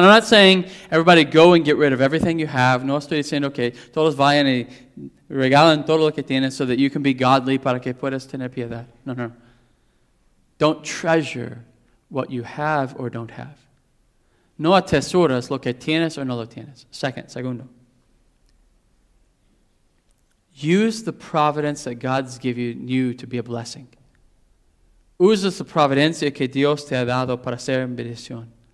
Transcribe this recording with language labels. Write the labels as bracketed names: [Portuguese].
[English] I'm not saying everybody go and get rid of everything you have. [Spanish] No estoy diciendo que todos vayan y regalen todo lo que tienen [English] so that you can be godly [Spanish] para que puedas tener piedad. [English] No. Don't treasure what you have or don't have. [Spanish] No atesoras lo que tienes o no lo tienes. Segundo. [English] Use the providence that God's given you to be a blessing. [Spanish] Usa la providencia que Dios te ha dado para ser en bendición.